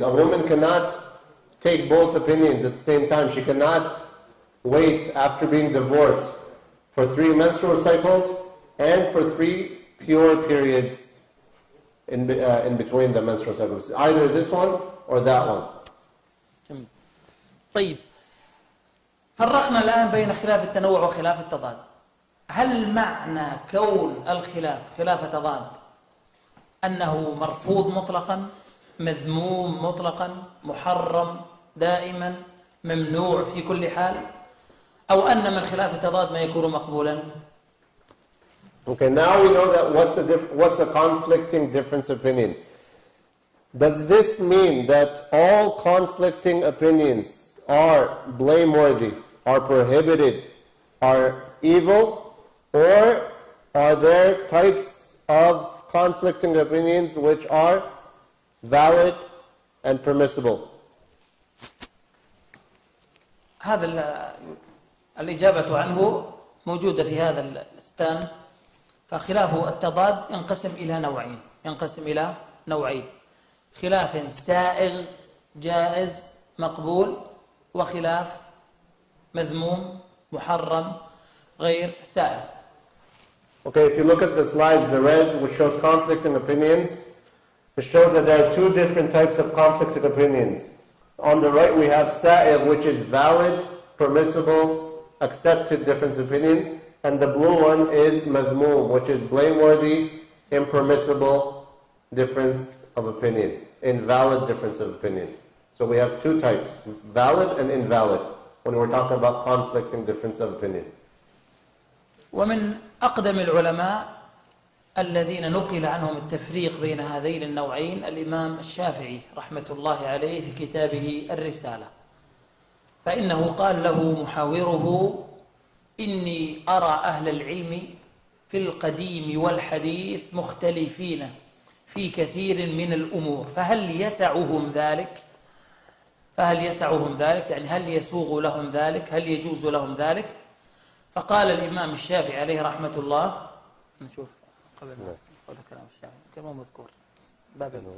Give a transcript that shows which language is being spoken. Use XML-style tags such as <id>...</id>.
<en>A woman cannot take both opinions at the same time. She cannot wait after being divorced for three menstrual cycles and for three pure periods in between the menstrual cycles. Either this one or that one.</en> <ar>طيب فرقنا الآن بين خلاف التنوع وخلاف التضاد. هل معنى كون الخلاف خلاف تضاد أنه مرفوض مطلقا مذموم مطلقا محرم دائما ممنوع في كل حال او ان من خلاف تضاد ما يكون مقبولا</ar> <en>Okay, now we know that what's a conflicting difference opinion. Does this mean that all conflicting opinions are blameworthy, are prohibited, are evil, or are there types of conflicting opinions which are valid and permissible?</en> <ar>هذا الإجابة عنه موجودة في هذا الستان فخلاف التضاد ينقسم إلى نوعين ينقسم إلى نوعين خلاف سائغ جائز مقبول وخلاف مذموم محرم غير سائغ</ar> <en>Okay, if you look at the slides, the red which shows conflicting opinions it shows that there are two different types of conflicting opinions On the right, we have sa'ir, which is valid, permissible, accepted difference opinion. And the blue one is madmum, which is blameworthy, impermissible difference of opinion, invalid difference of opinion. So we have two types, valid and invalid, when we're talking about conflicting difference of opinion.</en> <ar>ومن أقدم العلماء الذين نقل عنهم التفريق بين هذين النوعين الإمام الشافعي رحمة الله عليه في كتابه الرسالة فإنه قال له محاوره إني أرى أهل العلم في القديم والحديث مختلفين في كثير من الأمور فهل يسعهم ذلك يعني هل يسوغ لهم ذلك هل يجوز لهم ذلك فقال الإمام الشافعي عليه رحمة الله نشوف قبل كلام الشافعي كان مو مذكور باب</ar>